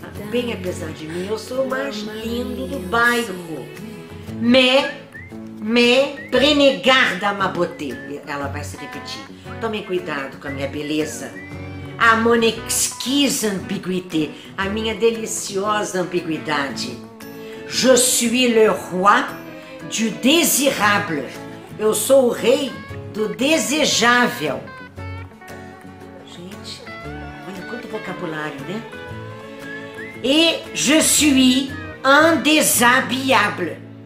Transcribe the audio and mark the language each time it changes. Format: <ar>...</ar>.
<pt>Bem apesar de mim, eu sou o mais lindo do bairro. Mais,</pt> <fr>Mais prenez garde à ma beauté.</fr> <pt>Ela vai se repetir. Tome cuidado com a minha beleza.</pt> <fr>A mon exquise ambiguïté.</fr> <pt>A minha deliciosa ambiguidade.</pt> <fr>Je suis le roi du désirable.</fr> <pt>Eu sou o rei do desejável. Gente, olha quanto vocabulário, né?</pt> <fr>Et je suis indéshabillable.</fr>